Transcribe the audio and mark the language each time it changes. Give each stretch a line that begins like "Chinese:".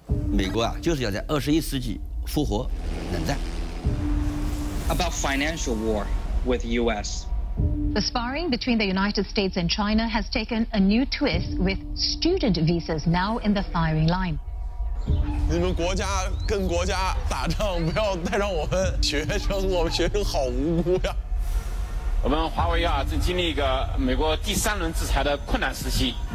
Chinese: 美国啊，就是要在二十一世纪复活冷战。
English: About financial war with U.S. The sparring between the United States and China has taken a new twist, with student visas now in the firing line.
Chinese: 你们国家跟国家打仗，不要带上我们学生，我们学生好无辜呀。我们华为啊，正经历一个美国第三轮制裁的困难时期。